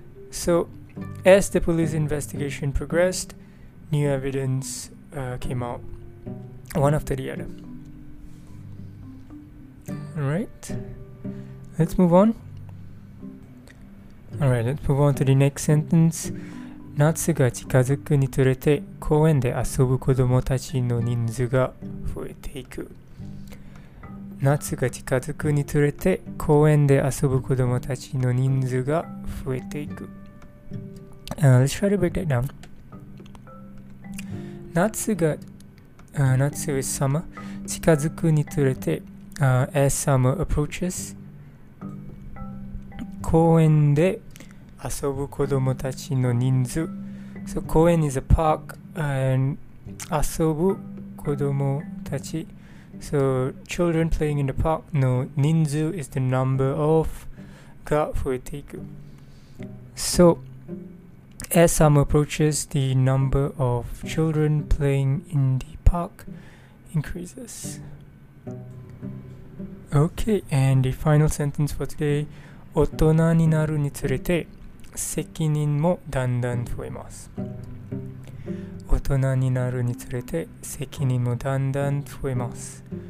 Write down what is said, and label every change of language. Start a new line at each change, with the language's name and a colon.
English: SoAs the police investigation progressed, new evidence came out, one after the other. Alright, let's move on. Alright, let's move on to the next sentence.
Japanese: 夏が近づくにつれて、公園で遊ぶ子供たちの人数が増えていく。夏が近づくにつれて、公園で遊ぶ子供たちの人数が増えていく。
English: Let's try to break that down. Natsu is summer.
Japanese: Chikazuku ni turete,
English: as summer approaches,
Japanese: koen de asobu kodomo tachi no ninzu.
English: So koen is a park, and asobu kodomo tachi. So children playing in the park, no ninzu is the number of ga fuiteiku. So,As summer approaches, the number of children playing in the park increases. Okay, and the final sentence for today.
Japanese: 大人になるにつれて責任もだんだん増えます。大人になるにつれて責任もだんだん増えます。